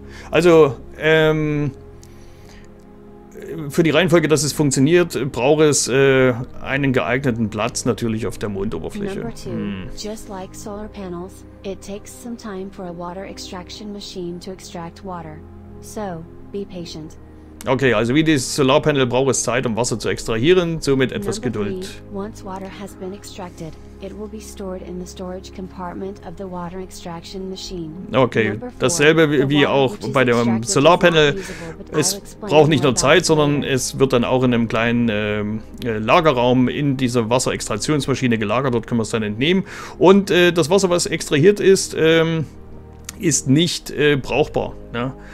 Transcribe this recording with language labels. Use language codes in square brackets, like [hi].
[de] Also, für die Reihenfolge, dass es funktioniert, braucht es einen geeigneten Platz natürlich auf der Mondoberfläche. [en] Just like solar panels, it takes some time for a water extraction machine to extract water. So, be patient. [de] Okay, also wie dieses Solarpanel braucht es Zeit, um Wasser zu extrahieren, somit etwas Geduld. [en] Once water has been extracted, it will be stored in the storage compartment of the water extraction machine. [de] Okay, dasselbe wie auch bei dem Solarpanel. Es braucht nicht nur Zeit, sondern es wird dann auch in einem kleinen Lagerraum in dieser Wasserextraktionsmaschine gelagert. Dort können wir es dann entnehmen. Und das Wasser, was extrahiert ist, ist nicht brauchbar. Ne?